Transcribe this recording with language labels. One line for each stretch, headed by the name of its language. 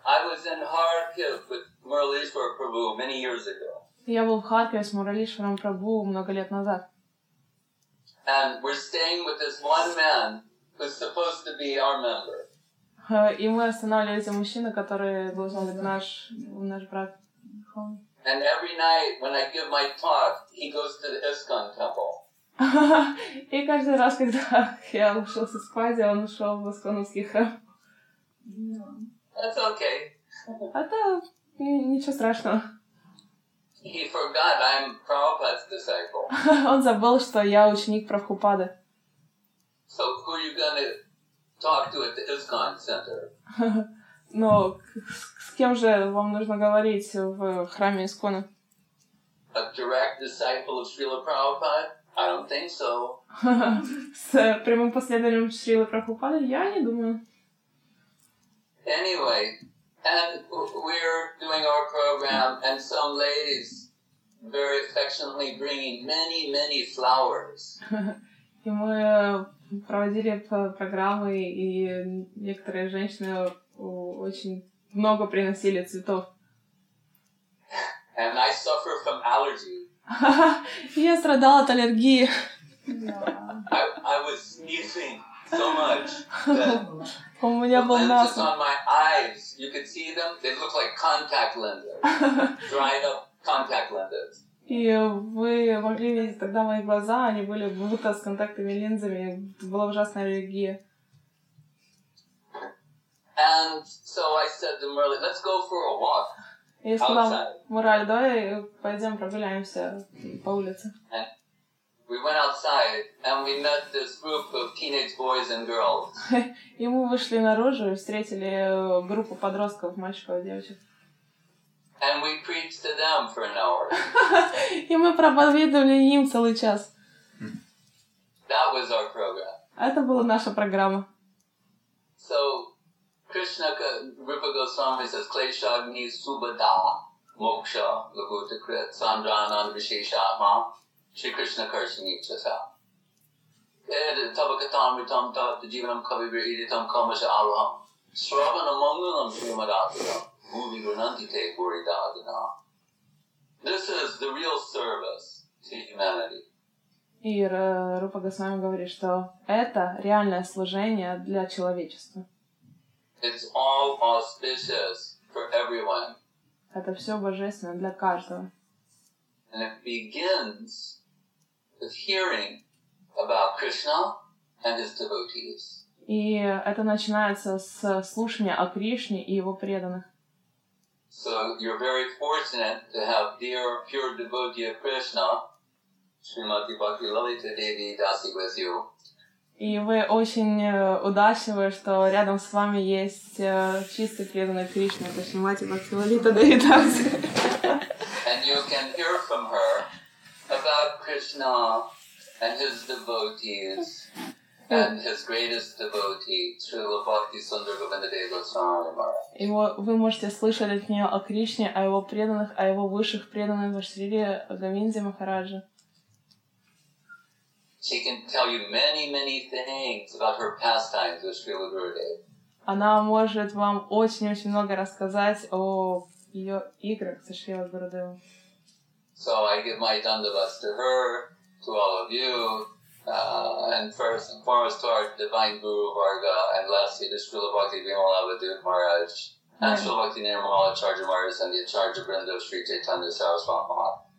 English: I was in Kharkiv with Muralishwar Prabhu many years ago.
Russian: Я был в Харькове с Муралишваром Прабху много лет назад.
English: And we're staying with this one man who's supposed to be our member.
Russian: И мы останавливаемся мужчина, который должен быть наш брат.
English: And every night when I give my talk, he goes to the ISKCON temple.
Russian: И каждый раз, когда я ушел со спади, он ушел в Исконовский храм.
English: That's okay.
Russian: Это ничего страшного.
English: He forgot I'm Prabhupada's disciple.
Russian: Он забыл, что я ученик Прабхупады.
English: So who are you gonna talk to at the ISKCON center?
Russian: Но с кем же вам нужно говорить в храме Искона?
English: A direct disciple of Srila Prabhupada? I don't think so.
Russian: С прямым последователем Шрилы Прабхупады? Я не думаю.
English: Anyway, and we're doing our program, and some ladies very affectionately bringing many, many flowers.
Russian: И мы проводили программы, и некоторые женщины очень много приносили цветов.
English: And I suffer from allergy.
Russian: Я страдал от аллергии.
English: Yeah. I was sneezing so much.
Russian: У меня был нос.
English: On my eyes, you could see them. They look like contact lenses. Dried up contact lenses.
Russian: И вы могли видеть тогда мои глаза, они были будто с контактными линзами. Была ужасная аллергия.
English: And so I said to Murali, let's go for a walk outside.
Russian: Я сказал, Мураль, давай пойдем прогуляемся по улице.
English: And we went outside and we met this group of teenage boys and girls.
Russian: И мы вышли наружу и встретили группу подростков, мальчиков и девочек.
English: And we preached to them for an hour.
Russian: И мы проповедовали им целый час.
English: That was our program.
Russian: Это была наша программа.
Sanskrit: So Krishna, Rupa Goswami says, Kleshagni Subhada Moksha Lahuta Krit Sandranan Visheshatma Shri Krishna Karshini Chasa Ed Tabakatam Ritam Tat Jivanam Kavibir Iditam Kamasha Allah Sravana Mangalam Srimadatana Bhuvi Gurunanti Te Puri Dadana.
English: This is the real service to humanity.
Russian: И Рупа Госвами говорит, что это реальное служение для человечества.
English: It's all auspicious for everyone.
Russian: Это все божественно для каждого.
English: And it begins with hearing about Krishna and his devotees.
Russian: И это начинается с слушания о Кришне и его преданных.
English: So you're very fortunate to have dear, pure devotee of Krishna, Srimati Bhakti Lalita Devi Dasi, with you.
Russian: И вы очень удачливы, что рядом с вами есть чистый преданный Кришна, точнее, мать Бхакти Лалита Деви Даси.
English: And you can hear from her about Krishna and his devotees and his greatest devotee, Srila Bhakti Sundar Govinda Devi Goswami.
Russian: И вы можете слышать от нее о Кришне, о его преданных, о его высших преданных в Шриле Говинде Махараджи.
English: She can tell you many, many things about her pastimes with Srila Gurudev.
Russian: Она может вам очень-очень много рассказать о ее играх со Шрила Гурудевым.
English: So I give my dandavas to her, to all of you, And first and foremost to our divine guru Varga, and lastly to Srila Bhakti Vimala Vidur Maharaj, and Srila Bhakti Nirmala Charja Maharaj, and the Charja Brindo Sri Chaitanya Saraswam Maharaj.